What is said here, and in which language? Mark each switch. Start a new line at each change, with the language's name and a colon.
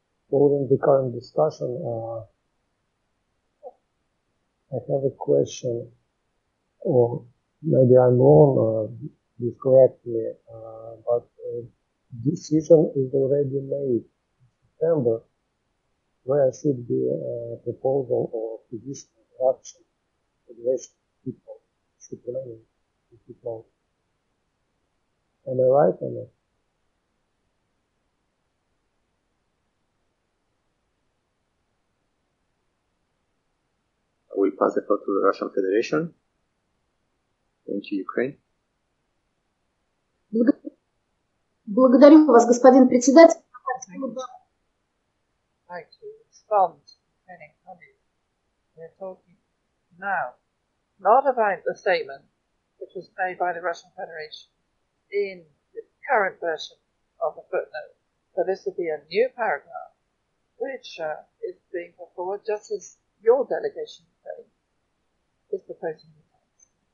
English: Following the current discussion, I have a question, or maybe I'm wrong, please correct me, but a decision is already made in September where should be a proposal or position of action for the rest of people, should be many people. Am I right on it? We pass the floor to the Russian Federation. Thank you, Ukraine.
Russian: Благодарю вас, господин председатель.
English: I'd like to respond to any comments. We're talking now not about the statement which was made by the Russian Federation in the current version of the footnote. So this would be a new paragraph which is being put forward just as your delegation is proposing the text.